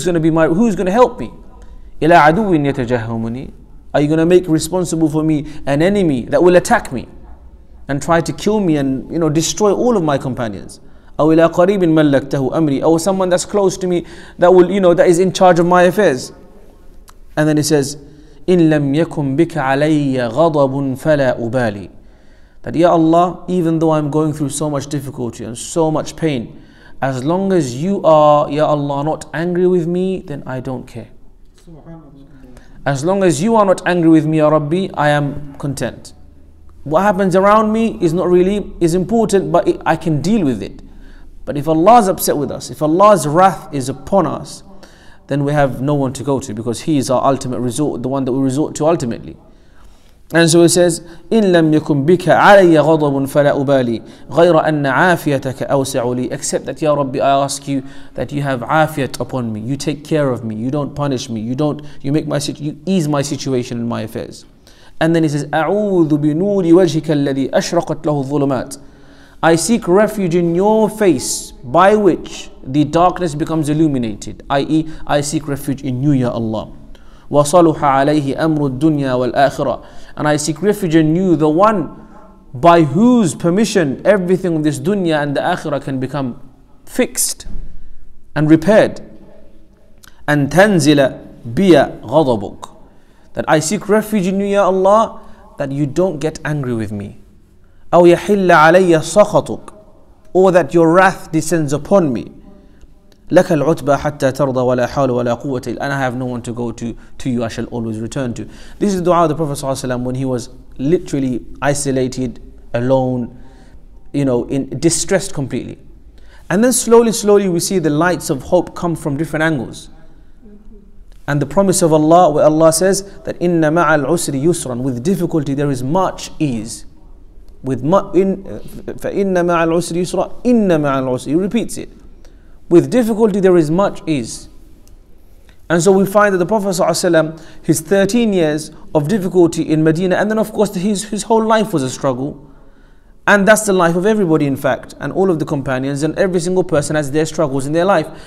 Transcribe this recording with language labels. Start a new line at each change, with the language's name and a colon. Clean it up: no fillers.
English: Who's going to help me?
Arabic: Ila aduwin yatajahhamuni.
English: Are you going to make responsible for me an enemy that will attack me and try to kill me and, you know, destroy all of my companions?
Arabic: أو إلى قريب ملكته أمري,
English: or someone that's close to me that will, you know, that is in charge of my affairs. And then he says,
Arabic: إن لم يكن بك علي غضب فلا أبالي.
English: That, Ya Allah, even though I'm going through so much difficulty and so much pain, as long as you are, Ya Allah, not angry with me, then I don't care. As long as you are not angry with me, Ya Rabbi, I am content. What happens around me is important, but I can deal with it. But if Allah is upset with us, if Allah's wrath is upon us, then we have no one to go to, because He is our ultimate resort, the one that we resort to ultimately. And so it says,
Arabic: إِن لَمْ يَكُمْ بِكَ عَلَيَّ غَضَبٌ فَلَا أُبَالِي غَيْرَ أَنَّ عَافِيَتَكَ أَوْسِعُ لِي.
English: Except that, Ya Rabbi, I ask you that you have afiyat upon me, you take care of me, you don't punish me, you ease my situation and my affairs. And then he says,
Arabic: أَعُوذُ بِنُورِ وَجْهِكَ الَّذِي أَشْرَقَتْ لَهُ الظُّلُمَاتِ.
English: I seek refuge in your face by which the darkness becomes illuminated, i.e. I seek refuge in you, Ya Allah.
Arabic: وَصَلُحَ عَلَيْهِ أَمْرُ الدُّنْيَا وَالْآخِرَةِ.
English: And I seek refuge in you, the one by whose permission everything of this dunya and the akhirah can become fixed and repaired.
Arabic: أَنْ تَنْزِلَ بِيَ غَضَبُكَ.
English: That I seek refuge in you, Ya Allah, that you don't get angry with me.
Arabic: أَوْ يَحِلَّ عَلَيَّ سَخَطُكَ.
English: Or that your wrath descends upon me.
Arabic: لَكَ الْعُتْبَى حَتَّى تَرْضَى وَلَا حَوْلُ وَلَا قُوَّةَ إِلَّا.
English: And I have no one to go to you, I shall always return to. This is the dua of the Prophet ﷺ when he was literally isolated, alone, you know, in distressed completely. And then slowly we see the lights of hope come from different angles. And the promise of Allah, where Allah says that
Arabic: إِنَّ مَعَ الْعُسْرِ يُسْرًا.
English: With difficulty there is much ease. With
Arabic: فَإِنَّ مَعَ الْعُسْرِ يُسْرًا. إِنَّ مَعَ الْعُسْرِ.
English: He repeats it. With difficulty there is much ease. And so we find that the Prophet ﷺ, his 13 years of difficulty in Medina, and then of course his whole life was a struggle. And that's the life of everybody, in fact, and all of the companions, and every single person has their struggles in their life.